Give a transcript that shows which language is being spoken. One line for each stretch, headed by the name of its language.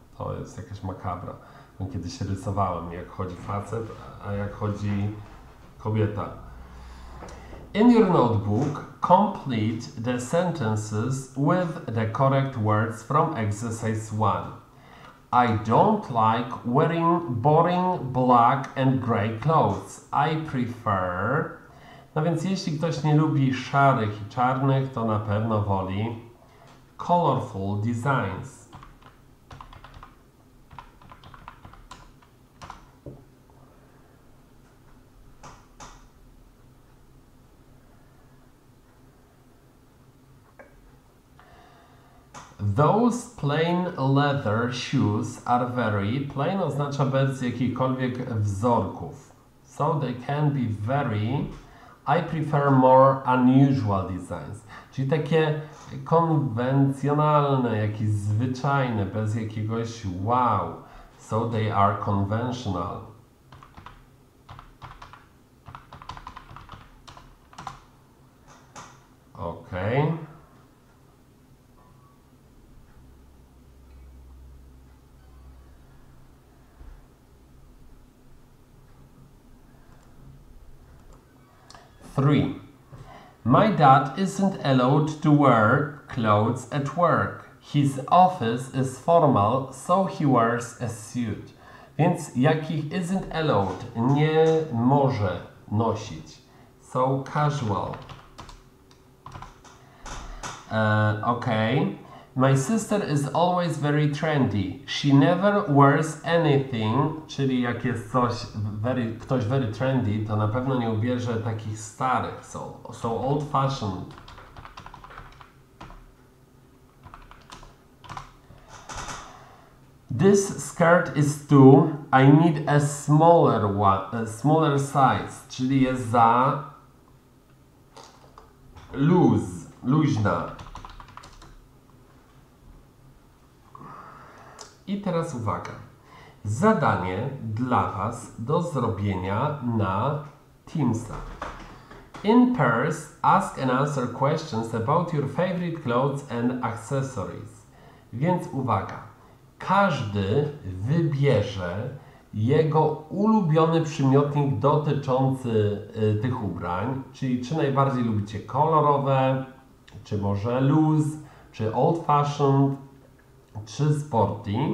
Polish: To jest jakaś makabra. Kiedyś rysowałem, jak chodzi facet, a jak chodzi kobieta.
English: In your notebook, complete the sentences with the correct words from exercise 1. I don't like wearing boring black and grey clothes. I prefer...
Polish: No więc jeśli ktoś nie lubi szarych i czarnych, to na pewno woli
English: colorful designs. Those plain leather shoes are very...
Polish: Plain oznacza bez jakichkolwiek wzorków.
English: So they can be very... I prefer more unusual designs.
Polish: Czyli takie konwencjonalne, jakieś zwyczajne, bez jakiegoś wow.
English: So they are conventional. Okej. Three. My dad isn't allowed to wear clothes at work. His office is formal, so he wears a suit.
Polish: Więc jakich
English: isn't allowed,
Polish: nie może nosić.
English: So casual. Okay. My sister is always very trendy. She never wears anything.
Polish: Czyli jak jest coś very, ktoś
English: very trendy,
Polish: to na pewno nie ubierze takich starych.
English: So old fashioned. This skirt is too. I need a smaller one, a smaller size.
Polish: Czyli jest za luźna. I teraz uwaga. Zadanie dla Was do zrobienia na Teamsa.
English: In pairs, ask and answer questions about your favorite clothes and accessories.
Polish: Więc uwaga. Każdy wybierze jego ulubiony przymiotnik dotyczący tych ubrań. Czyli czy najbardziej lubicie kolorowe, czy może loose, czy
English: old fashioned,
Polish: czy sporty.